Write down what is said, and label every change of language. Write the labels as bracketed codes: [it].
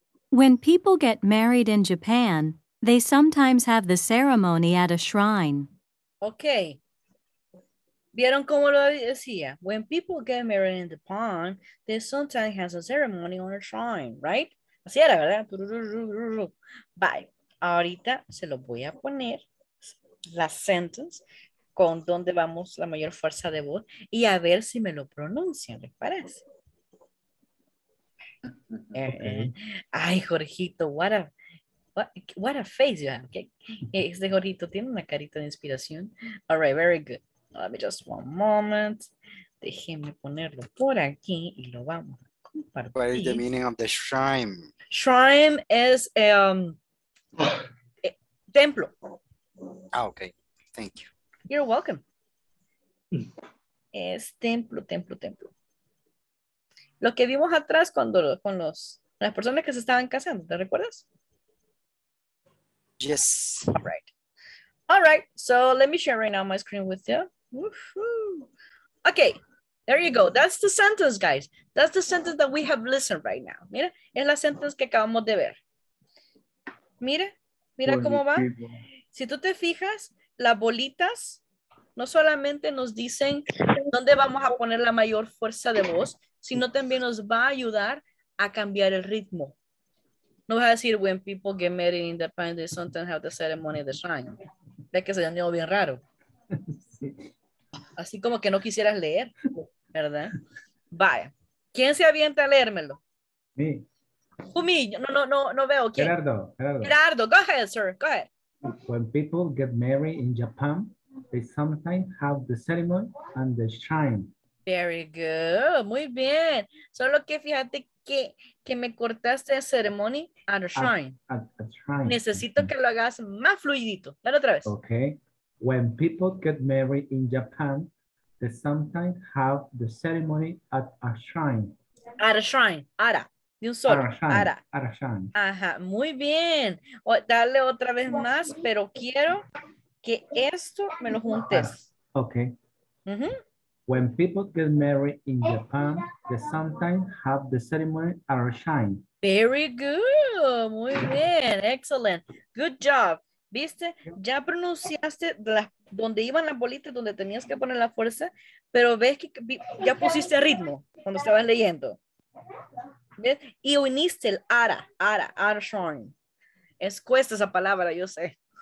[en] When people get married in Japan, They sometimes have the ceremony at a shrine. Okay. [es] ¿Vieron cómo lo decía? [en] When people get married in the pond, they sometimes have a ceremony on a shrine, right? [es] Así era, ¿verdad? [en] Bye. [es] Ahorita se lo voy a poner la sentence con donde vamos la mayor fuerza de voz y a ver si me lo pronuncian, ¿les parece? [en] Okay. Ay, Jorgito, what a face you have. Okay. [es] Este Jorgito tiene una carita de inspiración. [en] All right, very good. Let me just one moment. [es] Déjenme ponerlo por aquí y lo vamos a compartir. [en] What is the meaning of the shrine? Shrine is templo. Ah, okay. Thank you. You're welcome. [es] Es templo, templo, templo. Lo que vimos atrás cuando con los las personas que se estaban casando, ¿te recuerdas? [en] Yes. All right. All right. So let me share right now my screen with you. Woo-hoo. Okay, there you go. That's the sentence, guys. That's the sentence that we have listened right now. [es] Mira, es la sentence que acabamos de ver. Mira, mira cómo va. Si tú te fijas, las bolitas no solamente nos dicen dónde vamos a poner la mayor fuerza de voz, sino también nos va a ayudar a cambiar el ritmo. No vas a decir, [en] when people get married in the pond, they sometimes have the ceremony of the shrine. [es] Ve que se ha llamado bien raro. Así como que no quisieras leer, ¿verdad? Vaya. ¿Quién se avienta a leérmelo? [en] Me. Who, me? [es] No veo. ¿Quién? Gerardo, Gerardo. [en] Gerardo, go ahead, sir. Go ahead. When people get married in Japan, they sometimes have the ceremony and the shrine. Very good. [es] Muy bien. Solo que fíjate que me cortaste [en] a ceremony and a shrine. A shrine. [es] Necesito que lo hagas más fluidito. Dale otra vez. [en] Okay. When people get married in Japan, they sometimes have the ceremony at a shrine. At a shrine. [es] Ara. De un solo. Ara. [en] At a shrine. [es] Ajá. Muy bien. O, dale otra vez más, pero quiero que esto me lo juntes. [en] Okay. Mm-hmm. When people get married in Japan, they sometimes have the ceremony at a shrine. Very good. [es] Muy bien. [en] Excellent. Good job. [es] ¿Viste? Ya pronunciaste donde iban las bolitas, donde tenías que poner la fuerza, pero ves que ya pusiste ritmo cuando estabas leyendo. ¿Ves? Y uniste el ara shrine. Es cuesta esa palabra, yo sé.